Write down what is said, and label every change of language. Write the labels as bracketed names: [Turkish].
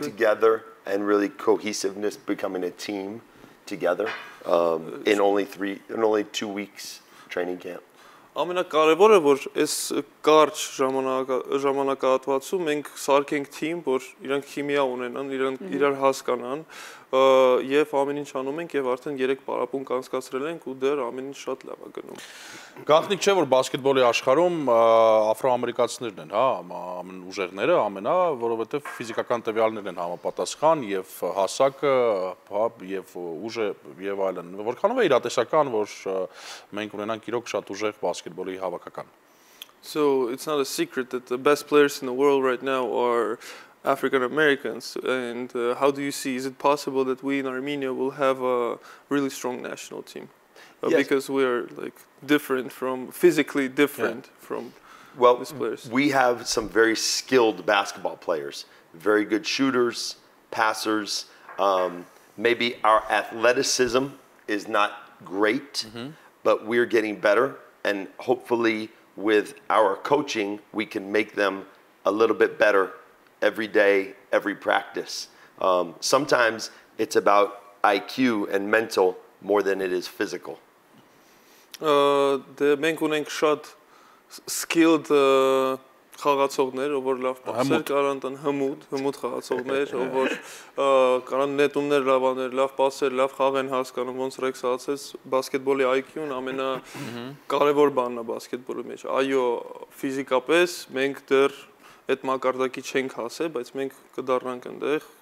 [English] together and really cohesiveness, becoming a team together in only 2 weeks training camp? [Armenian] Ամենակարևորը, որ այս կարճ ժամանակահատվածում մենք սարքենք թիմ, որ իրենք քիմիա ունենան, իրար հասկանան, եւ ամեն ինչ անում ենք եւ արդեն 3 պարապմունք անցկացրել ենք ու դեռ ամեն ինչ շատ լավ է գնում։ Գաղտնիք չէ, որ բասկետբոլի աշխարհում աֆրոամերիկացիներն են, հա, ամեն ուժեղները, ամենա, որովհետեւ ֆիզիկական տվյալներն են համապատասխան եւ հասակը, հա, եւ ուժը եւ այլն։ Որքանով է իրատեսական, որ մենք ունենանք իրոք շատ ուժեղ բասկետբոլի հավաքական։ [English] So it's not a secret that the best players in the world right now are African Americans, and how do you see, is it possible that we in Armenia will have a really strong national team? Yes. Because we are like physically different yeah. from well, these players. We have some very skilled basketball players, very good shooters, passers. Maybe our athleticism is not great, mm-hmm. but we're getting better, and hopefully with our coaching, we can make them a little bit better every day, every practice. Sometimes it's about IQ and mental more than it is physical. [Armenian] Մենք ունենք շատ skilled խաղացողներ, ով որ լավ պասեր կարան տան, հմուտ խաղացողներ, ով որ կարան նետումներ լավաներ, լավ պասեր, լավ խաղեն հասկանում, ոնց Ռեքս ասաց, բասկետբոլի IQ-ն ամենա կարևոր բանն է բասկետբոլի մեջ։ Այո, ֆիզիկապես մենք դեռ այդ մակարդակի չենք հասել, բայց մենք կդառնանք այնտեղ